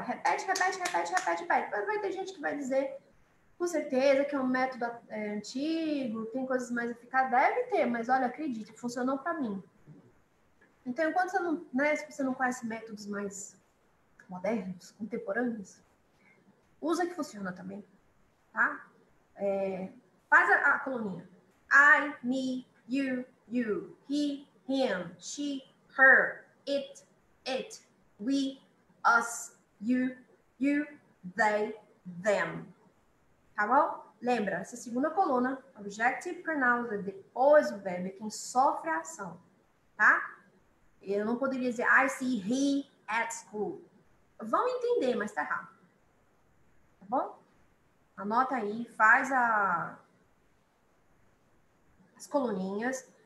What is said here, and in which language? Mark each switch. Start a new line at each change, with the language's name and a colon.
Portuguese: Repete, repete, repete, repete, repete. Vai ter gente que vai dizer com certeza que é um método antigo, tem coisas mais eficazes. Deve ter, mas olha, acredita, funcionou para mim. Então, enquanto você não, né, se você não conhece métodos mais modernos, contemporâneos, usa que funciona também, tá? Faz a coluninha.
English: I, me, you, he, him, she, her, it, we, us, you, they, them.
Portuguese: Tá bom? Lembra, essa segunda coluna, objective pronoun, depois o verbo, é quem sofre a ação, tá? Eu não poderia dizer
English: I see he at school.
Portuguese: Vão entender, mas tá errado. Tá bom? Anota aí, faz as coluninhas.